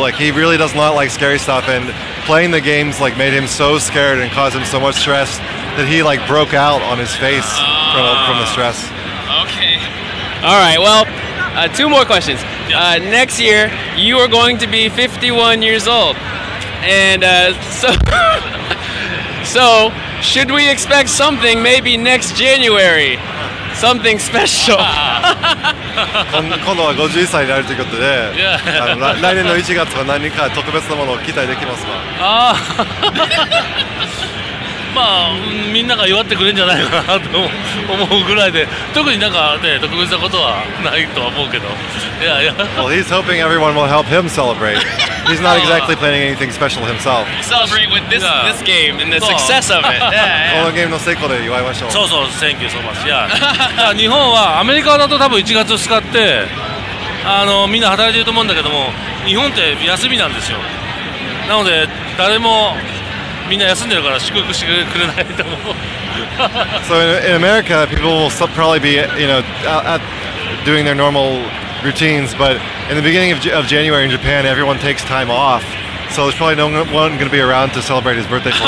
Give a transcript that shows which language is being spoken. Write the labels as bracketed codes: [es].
[en] Like, he really does not like scary stuff, and playing the games like made him so scared and caused him so much stress that he like broke out on his face from the stress. Okay. All right. Well, two more questions. Next year, you are going to be 51 years old, and so should we expect something maybe next January? Something special. [ja] 今度は51歳になるということで、 yeah. 来年の1月は何か特別なものを期待できますか？まあ、みんなが祝ってくれるんじゃないかなと思うぐらいで、特になんか、ね、特別なことはないとは思うけど。 [en] Well, he's hoping everyone will help him celebrate. He's not exactly planning anything special himself. Celebrate with this,、yeah. this game and the success of it. [ja] このゲームの成功で祝いましょう。そうそう、 [en] Thank you so much. Yeah. [ja] 日本はアメリカだと多分1月2日ってあのみんな働いてると思うんだけども、日本って休みなんですよ。なので誰もみんな休んでるから祝福してくれないと思う。 [en] So in America, people will probably be, you know, at doing their normal. Routines, but in the beginning of January in Japan, everyone takes time off, so there's probably no one going to be around to celebrate his birthday for